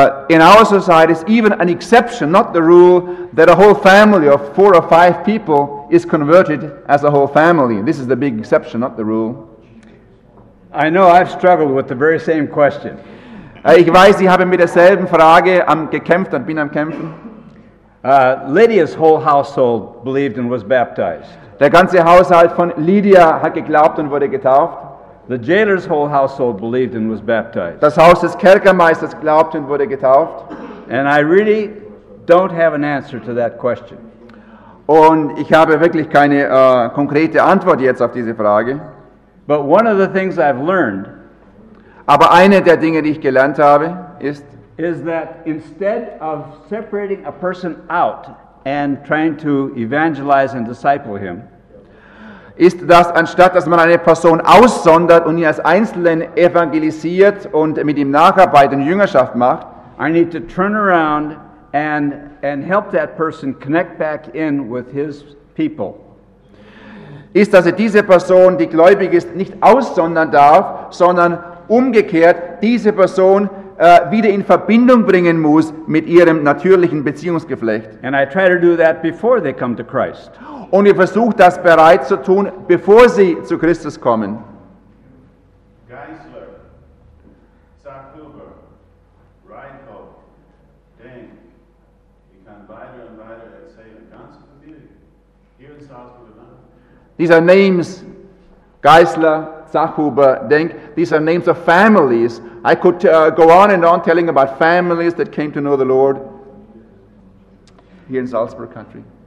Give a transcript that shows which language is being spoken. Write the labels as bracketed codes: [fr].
[en] In our society, it's even an exception, not the rule, that a whole family of 4 or 5 people is converted as a whole family. This is the big exception, not the rule. I know I've struggled with the very same question. [de] Ich weiß, ich habe mit derselben Frage am gekämpft und bin am kämpfen. [en] Lydia's whole household believed and was baptized. [de] Der ganze Haushalt von Lydia hat geglaubt und wurde getauft. [en] The jailer's whole household believed and was baptized. [de] Das Haus des Kerkermeisters glaubte und wurde getauft. [en] And I really don't have an answer to that question. [de] Und ich habe wirklich keine konkrete Antwort jetzt auf diese Frage. [en] But one of the things I've learned, [de] aber eine der Dinge, die ich gelernt habe, ist, [en] is that instead of separating a person out and trying to evangelize and disciple him, [de] ist, dass anstatt, dass man eine Person aussondert und ihn als Einzelnen evangelisiert und mit ihm nacharbeitet und Jüngerschaft macht, [en] I need to turn around and help that person connect back in with his people. [de] Ist, dass er diese Person, die gläubig ist, nicht aussondern darf, sondern umgekehrt diese Person wieder in Verbindung bringen muss mit ihrem natürlichen Beziehungsgeflecht. [en] And I try to do that before they come to Christ. [de] Und ihr versucht das bereits zu tun, bevor sie zu Christus kommen. Geisler, Zachhuber, Reinhold, Deng, ich kann weiter und weiter erzählen, ganz viel hier in Salzburg. [en] These are names, Geisler, Zachhuber, Deng, these are names of families. I could go on and on telling about families that came to know the Lord here in Salzburg country.